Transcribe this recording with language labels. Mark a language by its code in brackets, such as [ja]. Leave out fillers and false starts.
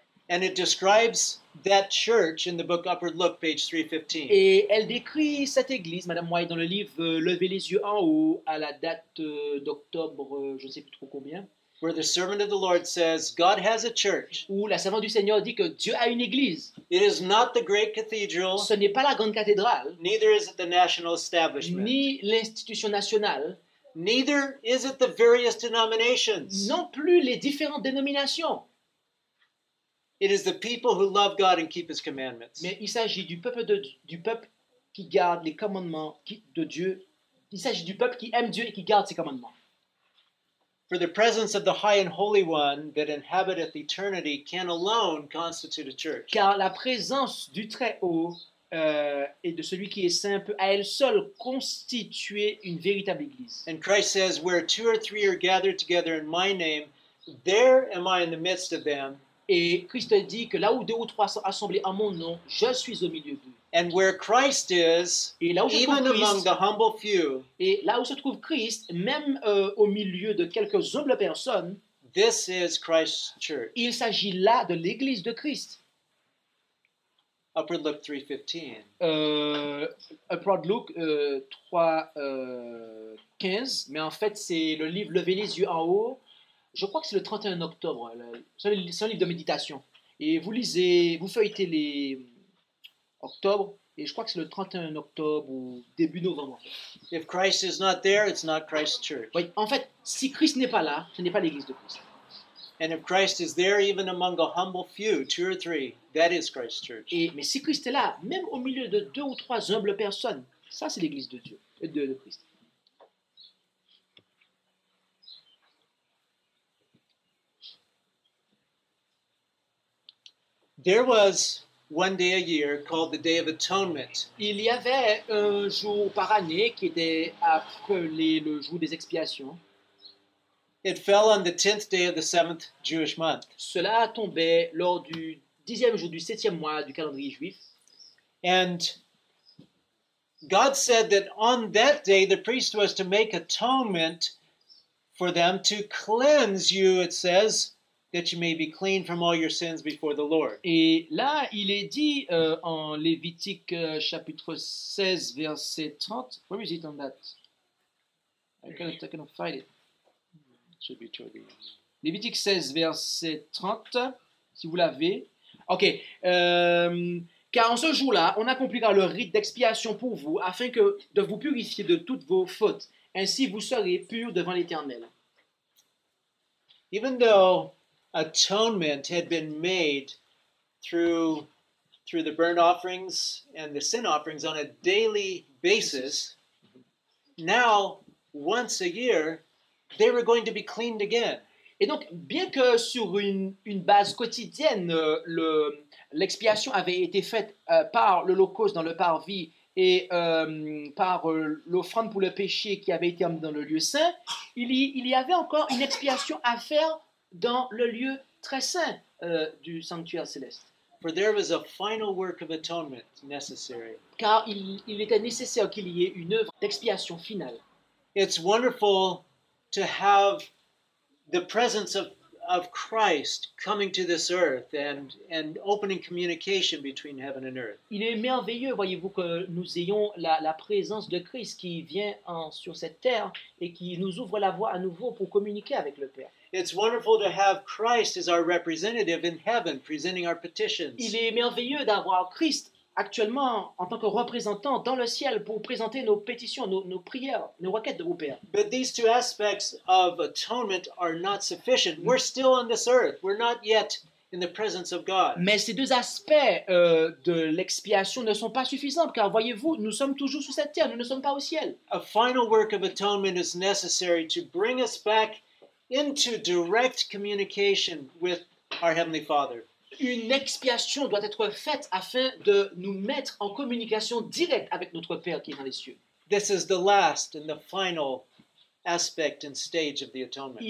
[en] And it describes that church in the book Upward Look, page 315. [fr] Et elle décrit cette église, Madame White, dans le livre Levez les yeux en haut, à la date d'octobre, je ne sais plus trop combien. [en] Where the servant of the Lord says, God has a church. [fr] Où la servante du Seigneur dit que Dieu a une église. [en] It is not the great cathedral. [fr] Ce n'est pas la grande cathédrale. [en] Neither is it the national establishment. [fr] Ni l'institution nationale. [en] Neither is it the various denominations. [fr] Non plus les différentes dénominations. [en] It is the people who love God and keep His commandments. [fr] Mais il s'agit du peuple qui garde les commandements de Dieu. Il s'agit du peuple qui aime Dieu et qui garde ses commandements. [en] For the presence of the High and Holy One that inhabiteth eternity can alone constitute a church. [fr] Car la présence du Très-Haut et de celui qui est saint peut à elle seule constituer une véritable église. [en] And Christ says, where two or three are gathered together in my name, there am I in the midst of them. [fr] Et Christ dit que là où deux ou trois sont assemblés en mon nom, je suis au milieu d'eux. [en] And where Christ is, [fr] et là où [en] even Christ, among the humble few, [fr] et là où se trouve Christ, même au milieu de quelques humbles personnes, [en] this is Christ's church. [fr] Il s'agit là de l'église de Christ. [en] Upward Look 3:15. Upward Look 3:15. [fr] Mais en fait, c'est le livre Levez les yeux en haut. Je crois que c'est le 31 octobre. C'est un livre de méditation. Et vous lisez, vous feuilletez les octobre. Et je crois que c'est le 31 octobre ou début novembre. [en] If Christ is not there, it's not Christ's church. [fr] Oui, en fait, si Christ n'est pas là, ce n'est pas l'église de Christ. [en] And if Christ is there, even among a humble few, two or three, that is Christ's church. [fr] Mais si Christ est là, même au milieu de deux ou trois humbles personnes, ça c'est l'église de Dieu, de Christ. [en] There was one day a year called the Day of Atonement. [fr] Il y avait un jour par année qui était appelé le jour des expiations. [en] It fell on the 10th day of the 7th Jewish month. [fr] Cela tombait lors du 10e jour du 7e mois du calendrier juif. [en] And God said that on that day the priest was to make atonement for them to cleanse you, it says, that you may be clean from all your sins before the Lord. [fr] Et là, il est dit en Lévitique chapitre 16 verset 30. [en] Where is it on that? I cannot find it. Should be toward the end. [fr] Lévitique 16 verset 30, si vous l'avez. OK. Car en ce jour-là, on accomplira le rite d'expiation pour vous afin que de vous purifier de toutes vos fautes. Ainsi vous serez purs devant l'Éternel. [en] Even though atonement had been made through the burnt offerings and the sin offerings on a daily basis, now once a year they were going to be cleaned again. [fr] Et donc bien que sur une base quotidienne l'expiation avait été faite par l'holocauste dans le parvis et par l'offrande pour le péché qui avait été amenée dans le lieu saint, il y avait encore une expiation à faire dans le lieu très saint du sanctuaire céleste. [en] For there was a final work of atonement necessary. [fr] Car il était nécessaire qu'il y ait une œuvre d'expiation finale. [en] It's wonderful to have the presence of Christ coming to this earth and opening communication between heaven and earth. [fr] Il est merveilleux, voyez-vous, que nous ayons la présence de Christ qui vient sur cette terre et qui nous ouvre la voie à nouveau pour communiquer avec le Père. [en] It's wonderful to have Christ as our representative in heaven presenting our petitions. [fr] Il est merveilleux d'avoir Christ actuellement en tant que représentant dans le ciel pour présenter nos pétitions, nos prières, nos requêtes de vos pères. [en] But these two aspects of atonement are not sufficient. We're still on this earth. We're not yet in the presence of God. [fr] Mais ces deux aspects de l'expiation ne sont pas suffisants, car voyez-vous, nous sommes toujours sur cette terre, nous ne sommes pas au ciel. [en] A final work of atonement is necessary to bring us back into direct communication with our Heavenly Father. [fr] Une expiation doit être faite afin de nous mettre en communication directe avec notre Père qui est dans les cieux. [en] This is the last and the final aspect and stage of the atonement.